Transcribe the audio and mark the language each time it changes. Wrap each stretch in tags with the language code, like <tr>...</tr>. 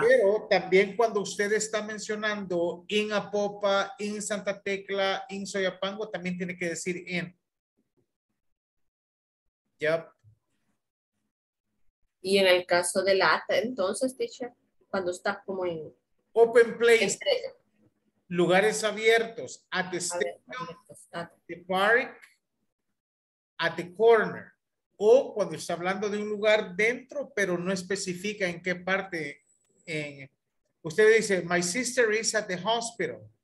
<es>Pero también cuando usted está mencionando in Apopa, in Santa Tecla, in Soyapango, también tiene que decir in.</es> <en>Yep.</en> <es>Y en el caso de la ata, entonces, teacher, cuando está como en...</es> <en>Open place.</en> <es>Estrella. Lugares abiertos.</es> <en>At the stadium, at the park, at the corner.</en> <es>O cuando está hablando de un lugar dentro, pero no especifica en qué parte. En... Usted dice,</es> <en>my sister is at the hospital.</en>